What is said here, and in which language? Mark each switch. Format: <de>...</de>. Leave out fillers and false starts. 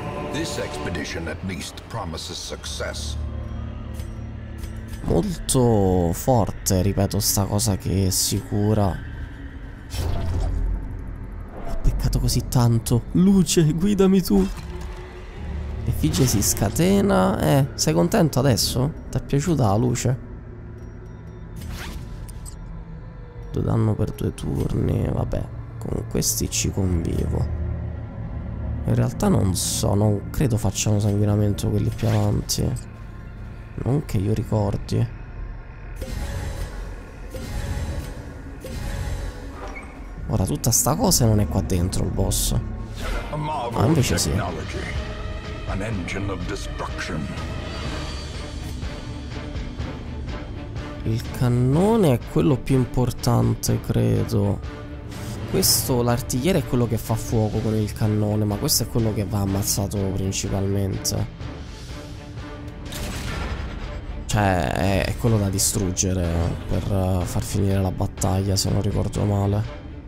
<en>This expedition at least promises success.</en> <it>Molto forte, ripeto, sta cosa che è sicura. Ho peccato così tanto. Luce, guidami tu. E effigie si scatena. Sei contento adesso? Ti è piaciuta la luce? Due danno per due turni. Vabbè, con questi ci convivo. In realtà non so, non credo facciano sanguinamento quelli più avanti. Non che io ricordi. Ora tutta sta cosa non è qua dentro il boss. Ma invece sì.</it> <en>An engine of destruction.</en> <it>Il cannone è quello più importante, credo. Questo, l'artigliere è quello che fa fuoco con il cannone, ma questo è quello che va ammazzato principalmente. Cioè, è quello da distruggere per far finire la battaglia, se non ricordo male.</it>